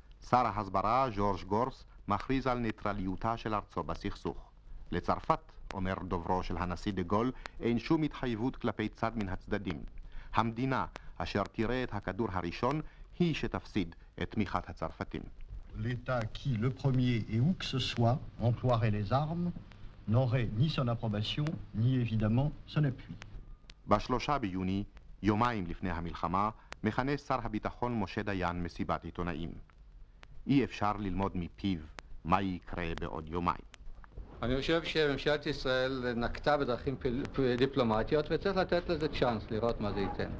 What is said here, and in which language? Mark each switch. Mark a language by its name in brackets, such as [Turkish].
[Hebrew] שר ההסברה, ג'ורג' גורס, מכריז על ניטרליותה של ארצו בסכסוך. לצרפת, אומר דוברו של הנשיא דה גול, אין שום התחייבות כלפי צד מן הצדדים. המדינה, אשר תראה את הכדור הראשון, היא שתפסיד את תמיכת הצרפתים. [French] L'État qui, le premier et où que ce soit, emploierait les armes, n'aurait ni son approbation, ni évidemment son appui. [Hebrew] בשלושה ביוני, יומיים לפני המלחמה, מכנס שר הביטחון משה דיין מסיבת עיתונאים. אי אפשר ללמוד מפיו מה יקרה בעוד יומיים. אני חושב שממשלת ישראל נקטה בדרכים דיפלומטיות וצריך לתת לזה צ'אנס לראות מה זה ייתן.